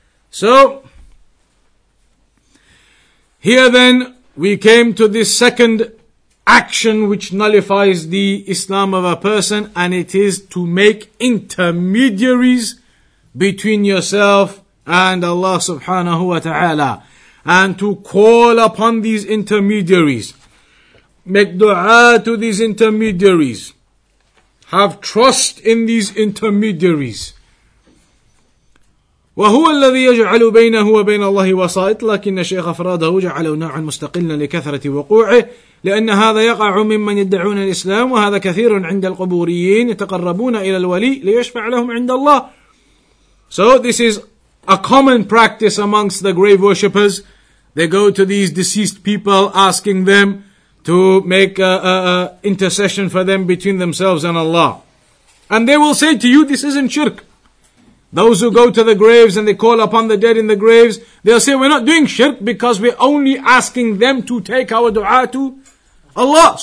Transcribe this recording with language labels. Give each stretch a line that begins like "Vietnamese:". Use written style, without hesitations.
English: So, here then, we came to this second action which nullifies the Islam of a person, and it is to make intermediaries between yourself and Allah subhanahu wa ta'ala, and to call upon these intermediaries, make dua to these intermediaries, have trust in these intermediaries.
Arabic: وهو الذي يجعل بينه وبين الله وسائط لكن الشيخ أفراده جعل نوعا مستقلا لكثرة وقوعه لأن هذا يقع ممن يدعون الإسلام وهذا كثير عند القبوريين يتقربون إلى الولي ليشفع لهم عند الله.
English: So this is a common practice amongst the grave worshippers. They go to these deceased people asking them to make intercession for them between themselves and Allah. And they will say to you, this isn't shirk. Those who go to the graves and they call upon the dead in the graves, they'll say, we're not doing shirk because we're only asking them to take our dua to Allah.